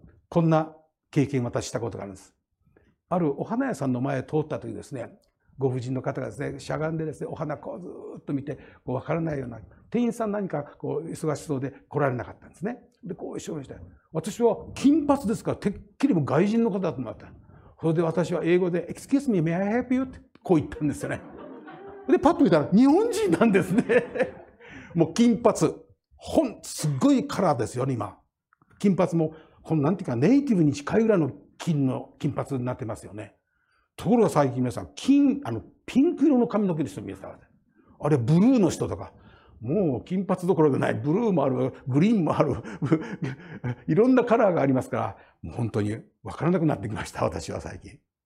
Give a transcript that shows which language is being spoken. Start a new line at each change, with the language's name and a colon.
Japanese: こんな経験を私したことがあるんです。あるお花屋さんの前を通った時ですね、ご婦人の方がですね、しゃがんでですね、お花こうずっと見て、こう分からないような、店員さん何かこう忙しそうで来られなかったんですね。でこう一生懸命して、私は金髪ですから、てっきりも外人の方だと思った。それで私は英語で
English: Excuse me, may I help you?
Japanese: ってこう言ったんですよね。でパッと見たら日本人なんですね。もう金髪、ほんすっごいカラーですよね。今金髪もこのなんていうか、ネイティブに近いぐらいの金の金髪になってますよね。ところが最近皆さん、金、あのピンク色の髪の毛の人見えたら、あれブルーの人とか、もう金髪どころじゃない、ブルーもある、グリーンもある、いろんなカラーがありますから、もう本当に分からなくなってきました、私は最近。